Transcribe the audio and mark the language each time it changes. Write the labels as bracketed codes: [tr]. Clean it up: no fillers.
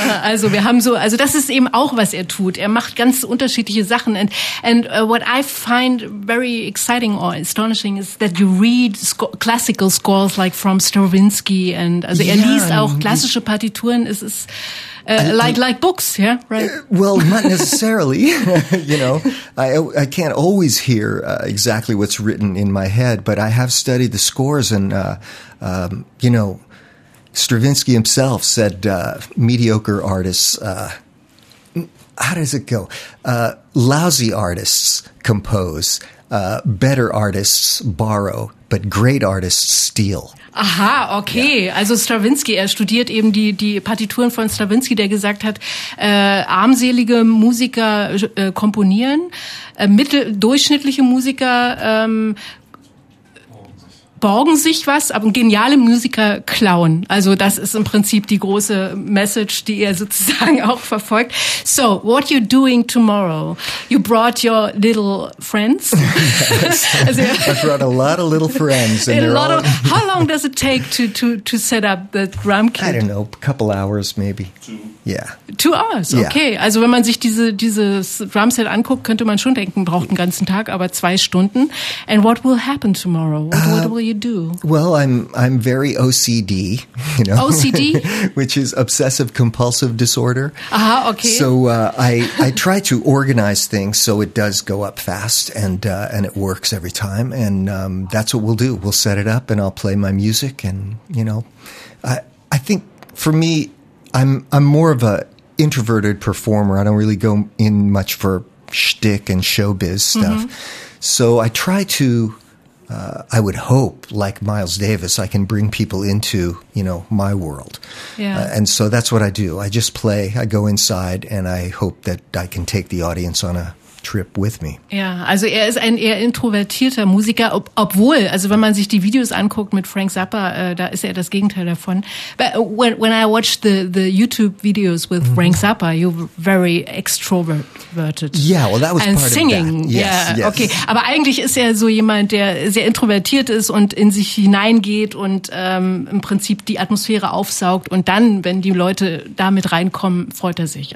[de] Also, wir haben so, also das ist eben auch, was er tut. Er macht ganz unterschiedliche Sachen. [en] And what I find very exciting or astonishing is that you read classical scores like from Stravinsky. [de] And also er liest auch klassische Partituren. Es ist... [en] like books, yeah, right? Well, not necessarily, you know. I can't always hear exactly what's written in my head, but I have studied the scores and, you know, Stravinsky himself said mediocre artists, how does it go? Lousy artists compose, better artists borrow, but great artists steal. [de] Aha, okay. Ja. Also Stravinsky, er studiert eben die Partituren von Stravinsky, der gesagt hat, armselige Musiker komponieren, durchschnittliche Musiker borgen sich was, aber geniale Musiker klauen. Also das ist im Prinzip die große Message, die er sozusagen auch verfolgt. [en] So, what are you doing tomorrow? You brought your little friends. Yes. Also, I brought a lot of little friends. And a lot of, how long does it take to set up the drum kit? I don't know, a couple hours maybe. Two. Yeah. 2 hours, okay. Yeah. [de] Also wenn man sich dieses Drumset anguckt, könnte man schon denken, braucht einen ganzen Tag, aber 2 Stunden. [en] And what will happen tomorrow? What will you do? Well, I'm very OCD, you know. OCD? Which is obsessive compulsive disorder. Aha, uh-huh, okay. So I try to organize things so it does go up fast and it works every time. And that's what we'll do. We'll set it up and I'll play my music. And, you know, I think for me, I'm more of a introverted performer. I don't really go in much for shtick and showbiz stuff. Mm-hmm. So I try to... I would hope, like Miles Davis, I can bring people into, you know, my world. Yeah. And so that's what I do. I just play, I go inside, and I hope that I can take the audience on a trip with me. [de] Ja, also er ist ein eher introvertierter Musiker, obwohl, also wenn man sich die Videos anguckt mit Frank Zappa, da ist er das Gegenteil davon. [en] But when I watched the YouTube videos with Frank Zappa, you're very extroverted. Yeah, well that was and part singing. Of that. Yes, yeah, yes. [de] Okay, aber eigentlich ist er so jemand, der sehr introvertiert ist und in sich hineingeht und im Prinzip die Atmosphäre aufsaugt und dann, wenn die Leute damit reinkommen, freut er sich.